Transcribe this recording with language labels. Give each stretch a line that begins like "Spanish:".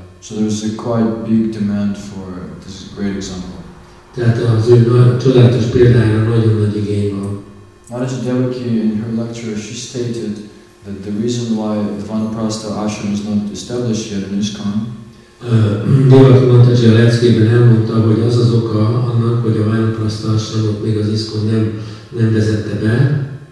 English: So there's a quite big demand for this great example.
Hungarian: Tehát az ő csodálatos példájára nagyon nagy igény van.
English: Maharaja Devaki in her lecture she stated that the reason why the Vanaprastha Ashram is not established yet in ISKCON.
Hungarian: Devaki mondta, hogy a leckében elmondta, hogy az az oka annak, hogy a Vanaprastha Ashramot még az ISKCON nem vezette be.